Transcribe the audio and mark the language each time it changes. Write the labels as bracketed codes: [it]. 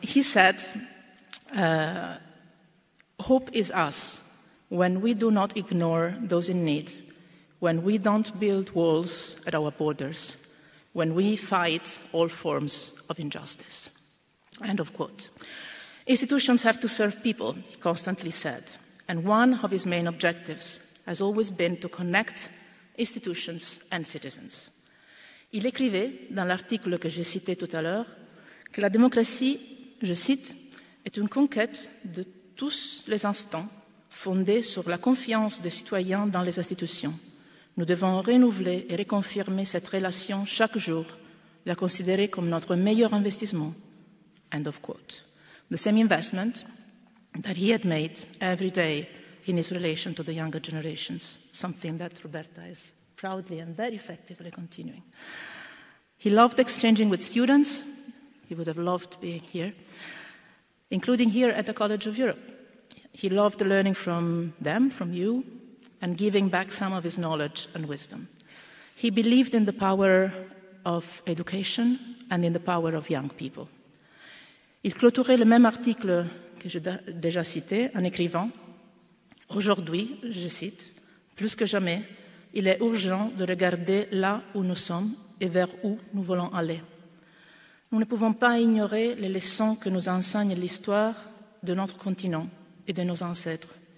[en] He said, hope is us when we do not ignore those in need, when we don't build walls at our borders, when we fight all forms of injustice. End of quote. Institutions have to serve people, he constantly said. And one of his main objectives has always been to connect institutions and citizens. [fr] Il écrivait dans l'article que j'ai cité tout à l'heure que la démocratie, je cite, est une conquête de tous les instants fondée sur la confiance des citoyens dans les institutions. Nous devons renouveler et reconfirmer cette relation chaque jour, la considérer comme notre meilleur investissement. [en] End of quote. The same investment that he had made every day in his relation to the younger generations, something that Roberta is proudly and very effectively continuing. He loved exchanging with students. He would have loved being here, including here at the College of Europe. He loved learning from them, from you, and giving back some of his knowledge and wisdom. He believed in the power of education and in the power of young people. [fr] Il clôturait le même article que j'ai déjà cité en écrivant, aujourd'hui, je cite, « Plus que jamais, il est urgent de regarder là où nous sommes et vers où nous voulons aller. Nous ne pouvons pas ignorer les leçons que nous enseigne l'histoire de notre continent et de nos ancêtres.